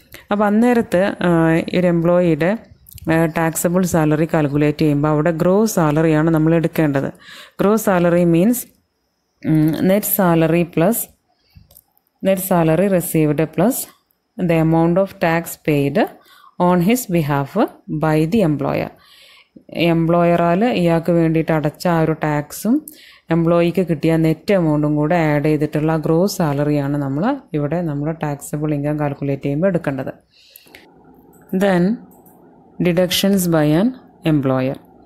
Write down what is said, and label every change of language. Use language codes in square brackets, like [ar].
[ml] അപ്പോൾ അന്നേരത്ത് ഒരു എംപ്ലോയിയുടെ taxable salary calculate ചെയ്യുമ്പോൾ അവിടെ ഗ്രോസ് സാലറിയാണ് നമ്മൾ എടുക്കേണ്ടത്. [en] Gross salary means net salary plus net salary received plus the amount of tax paid on his behalf by the employer. [ml] എംപ്ലോയറാല് ഇയാൾക്ക് വേണ്ടിയിട്ട് അടച്ച ആ ഒരു ടാക്സും എംപ്ലോയിക്ക് കിട്ടിയ നെറ്റ് എമൗണ്ടും കൂടെ ആഡ് ചെയ്തിട്ടുള്ള ഗ്രോസ് സാലറിയാണ് നമ്മൾ ഇവിടെ നമ്മുടെ ടാക്സബിൾ ഇൻകം കാൽക്കുലേറ്റ് ചെയ്യുമ്പോൾ എടുക്കേണ്ടത്. [en] Then deductions by an employer.